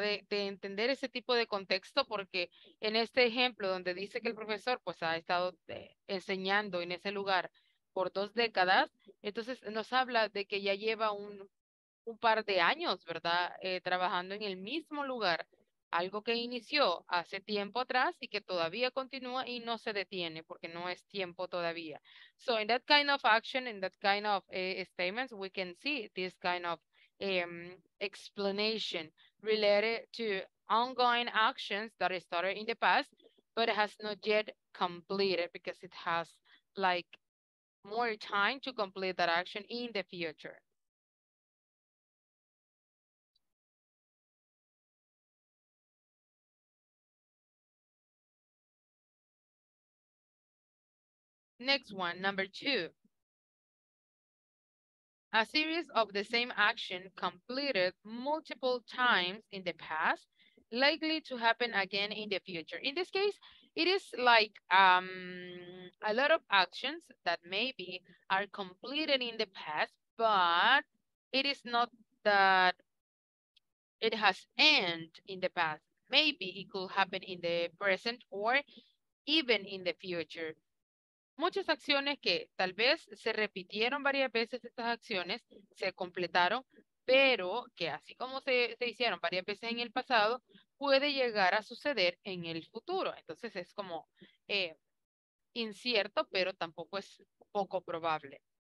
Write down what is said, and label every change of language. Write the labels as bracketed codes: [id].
[es] De entender ese tipo de contexto, porque en este ejemplo donde dice que el profesor pues ha estado enseñando en ese lugar por 2 décadas, entonces nos habla de que ya lleva un par de años, ¿verdad? Trabajando en el mismo lugar, algo que inició hace tiempo atrás y que todavía continúa y no se detiene porque no es tiempo todavía. [en] So in that kind of action, in that kind of statements, we can see this kind of explanation related to ongoing actions that started in the past, but has not yet completed because it has like more time to complete that action in the future. Next one, number 2. A series of the same action completed multiple times in the past, likely to happen again in the future. In this case, it is like a lot of actions that maybe are completed in the past, but it is not that it has ended in the past. Maybe it could happen in the present or even in the future. [es] Muchas acciones que tal vez se repitieron varias veces, estas acciones se completaron, pero que así como se hicieron varias veces en el pasado, puede llegar a suceder en el futuro. Entonces es como incierto, pero tampoco es poco probable.